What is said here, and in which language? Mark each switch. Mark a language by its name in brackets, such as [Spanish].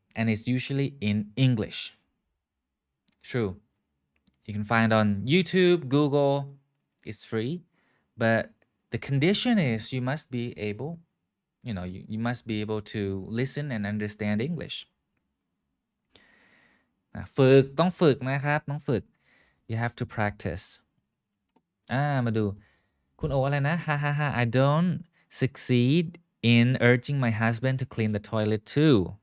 [English] And it's usually in English. True. You can find on YouTube, Google. It's free. ButThe condition is you must be able, you know, you must be able to listen and understand English. [Thai] ฝึกต้องฝึกนะครับต้องฝึก [English] You have to practice. [Thai] มาดูคุณโออะไรนะฮ่าฮ่าฮ่า [English] I don't succeed in urging my husband to clean the toilet too.